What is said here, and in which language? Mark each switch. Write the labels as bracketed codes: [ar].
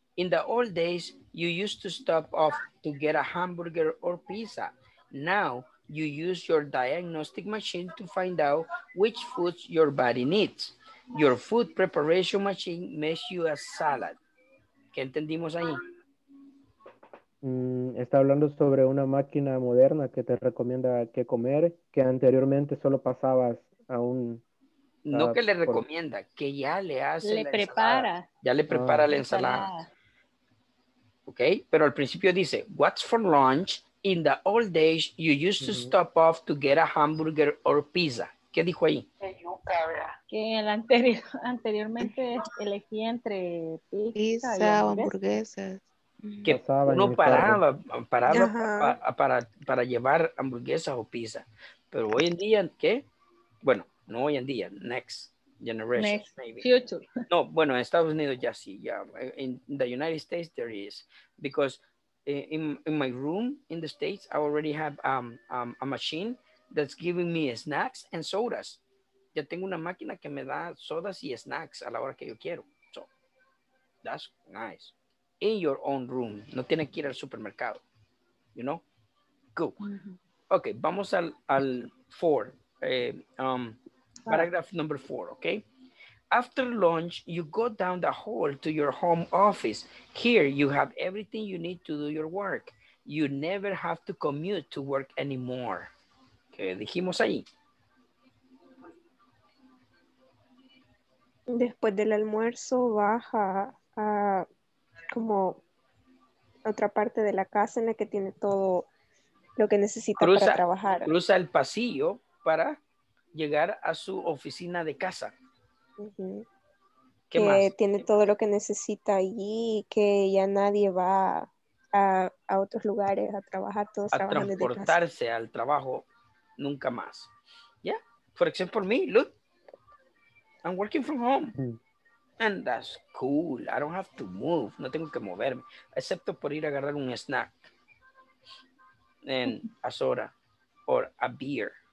[en] In the old days, you used to stop off to get a hamburger or pizza. Now, you use your diagnostic machine to find out which foods your body needs. Your food preparation machine makes you a salad. [es] ¿Qué entendimos ahí? Está hablando sobre una máquina moderna que te recomienda qué comer, que anteriormente solo pasabas a un... No que le recomienda, que ya le hace le la prepara. Ensalada. Ya le prepara la ensalada. Ok, pero al principio dice, [en] what's for lunch? In the old days, you used to stop off to get a hamburger or pizza. [es] ¿Qué dijo ahí? Que el anteriormente elegí entre pizza y hamburguesas. Que uno paraba para llevar hamburguesas o pizza. Pero hoy en día, ¿qué? Bueno, no hoy en día, [en] next generation. Next, maybe. Future. [es] No, bueno, en Estados Unidos ya sí. Ya. [en] In the United States, there is. Because... In my room in the States, I already have a machine that's giving me snacks and sodas. [es] Ya tengo una máquina que me da sodas y snacks a la hora que yo quiero. [en] So, that's nice. In your own room. [es] No tiene que ir al supermercado. [en] You know? Cool. Okay, [es] vamos al 4. [en] Paragraph number 4, okay? After lunch, you go down the hall to your home office. Here, you have everything you need to do your work. you never have to commute to work anymore. [es] ¿Qué dijimos ahí? Después del almuerzo baja a como otra parte de la casa en la que tiene todo lo que necesita para trabajar. Cruza el pasillo para llegar a su oficina de casa. ¿Qué más? Tiene todo lo que necesita allí, que ya nadie va a otros lugares a trabajar, todos trabajan desde casa. A transportarse al trabajo nunca más. ¿Ya? Por ejemplo, [en] me, look, I'm working from home. And that's cool. I don't have to move. [es] No tengo que moverme. Excepto por ir a agarrar un snack. [en] And a soda. Or a beer.